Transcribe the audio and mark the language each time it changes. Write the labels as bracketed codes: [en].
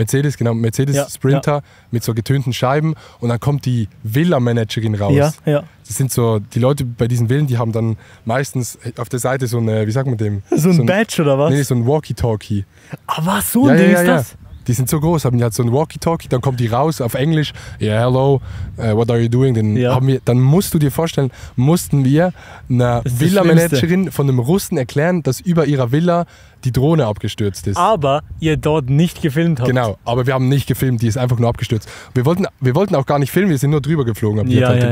[de] Mercedes, genau, Mercedes Sprinter mit so getönten Scheiben und dann kommt die Villa-Managerin raus. Ja, ja. Das sind so, die Leute bei diesen Villen, die haben dann meistens auf der Seite so eine, wie sagt man dem? So ein Badge oder was? Nee, so ein Walkie-Talkie. Ah, was? So ein Ding ist das? Die sind so groß, haben die halt so ein Walkie-Talkie, dann kommt die raus auf Englisch. [en] Yeah, hello, what are you doing? [de] Dann musst du dir vorstellen, mussten wir einer Villa-Managerin von einem Russen erklären, dass über ihrer Villa die Drohne abgestürzt ist. Aber ihr dort nicht gefilmt habt. Genau, aber wir haben nicht gefilmt, die ist einfach nur abgestürzt. Wir wollten auch gar nicht filmen, wir sind nur drüber geflogen, haben den